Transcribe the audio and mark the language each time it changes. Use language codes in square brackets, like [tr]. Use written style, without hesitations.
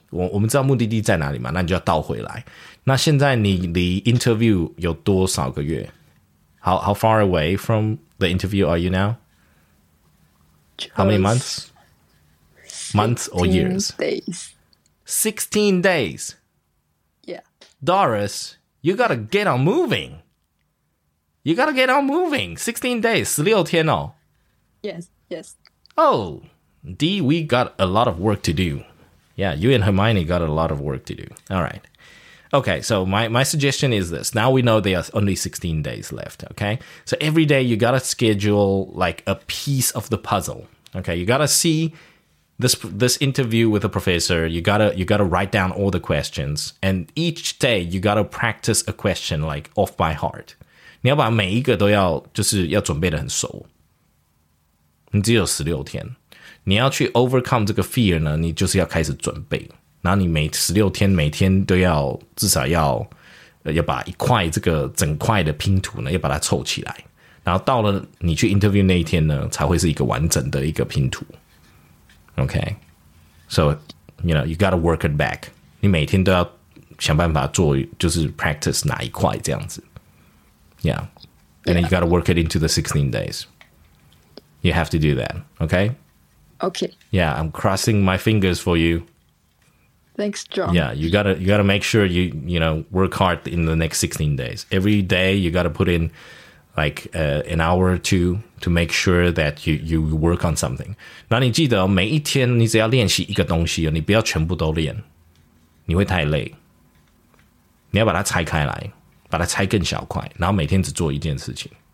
[zh] 我们知道目的地在哪里嘛，那你就要倒回来。那现在你离 interview 有多少个月？ [en] How far away from the interview are you now? How many months? Months or years? 16 days. Yeah. Doris, you gotta get on moving. You gotta get on moving. 16 days, [zh] 16 天哦。 [en] Yes, yes. Oh, Dee, we got a lot of work to do. Yeah, you and Hermione got a lot of work to do. All right. Okay, so my suggestion is this. Now we know there are only 16 days left, okay? So every day you gotta schedule like a piece of the puzzle. Okay, you gotta see... This interview with a professor, you gotta write down all the questions, and each day you gotta practice a question like off by heart. [zh] 你要把每一个都要就是要准备得很熟。你只有16天，你要去 overcome 这个 fear 呢，你就是要开始准备。然后你每16天每天都要至少要把一块这个整块的拼图呢，要把它凑起来。然后到了你去 interview 那一天呢，才会是一个完整的一个拼图。 [en] Okay, so, you know, you gotta work it back. [zh] 你每天都要想办法做，就是 practice 哪一块这样子。 [en] Yeah, and then you gotta work it into the 16 days. You have to do that, okay? Okay. Yeah, I'm crossing my fingers for you. Thanks, John. Yeah, you gotta make sure you work hard in the next 16 days. Every day you gotta put in... like an hour or two to make sure that you work on something. [zh] 那你记得每一天你只要练习一个东西，你不要全部都练，你会太累。你要把它拆开来，把它拆更小块，然后每天只做一件事情。